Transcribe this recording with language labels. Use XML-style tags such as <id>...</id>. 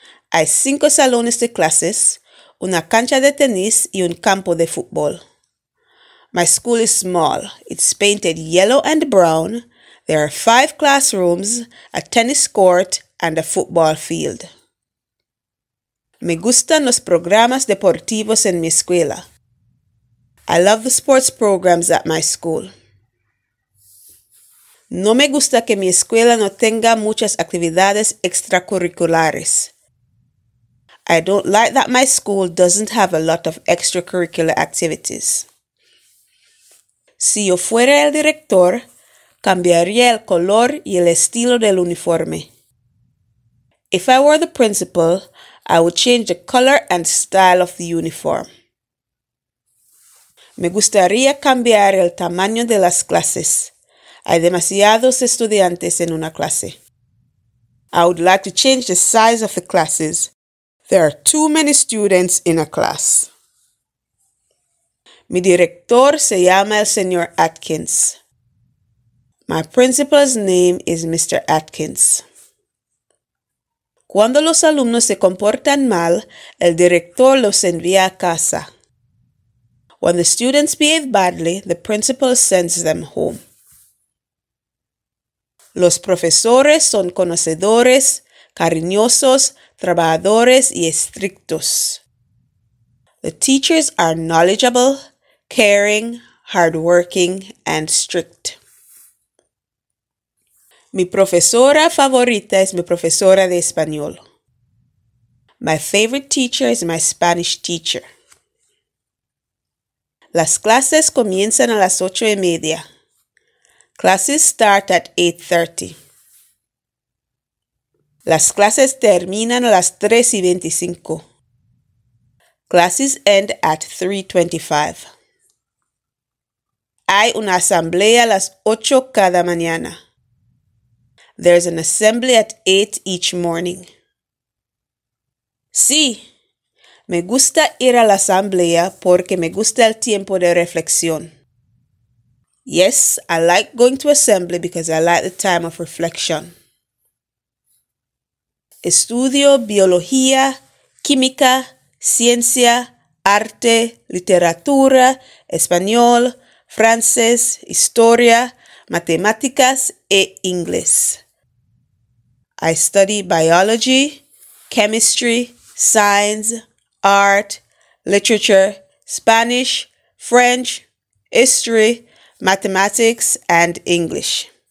<es>Hay 5 salones de clases, una cancha de tenis y un campo de fútbol.</es> <en>My school is small. It's painted yellow and brown. There are 5 classrooms, a tennis court, and a football field.</en> <es>Me gustan los programas deportivos en mi escuela.</es> <en>I love the sports programs at my school.</en> <es>No me gusta que mi escuela no tenga muchas actividades extracurriculares.</es> <en>I don't like that my school doesn't have a lot of extracurricular activities.</en> <es>Si yo fuera el director, cambiaría el color y el estilo del uniforme.</es> <en>If I were the principal, I would change the color and style of the uniform.</en> <es>Me gustaría cambiar el tamaño de las clases. Hay demasiados estudiantes en una clase.</es> <en>I would like to change the size of the classes. There are too many students in a class.</en> <es>Mi director se llama el señor Atkins.</es> <en>My principal's name is Mr. Atkins.</en> <es>Cuando los alumnos se comportan mal, el director los envía a casa.</es> <en>When the students behave badly, the principal sends them home.</en> <es>Los profesores son conocedores, cariñosos, trabajadores y estrictos.</es> <en>The teachers are knowledgeable, caring, hardworking, and strict.</en> <es>Mi profesora favorita es mi profesora de español.</es> <en>My favorite teacher is my Spanish teacher.</en> <es>Las clases comienzan a las 8:30.</es> <en>Classes start at 8:30.</en> <es>Las clases terminan a las 3:25.</es> <en>Classes end at 3:25.</en> <es>Hay una asamblea a las 8 cada mañana.</es> <en>There's an assembly at 8 each morning.</en> <es>Sí, me gusta ir a la asamblea porque me gusta el tiempo de reflexión.</es> <en>Yes, I like going to assembly because I like the time of reflection.</en> <es>Estudio biología, química, ciencia, arte, literatura, español, francés, historia, matemáticas e inglés.</es> <en>I study biology, chemistry, science, art, literature, Spanish, French, history, mathematics, and English.</en>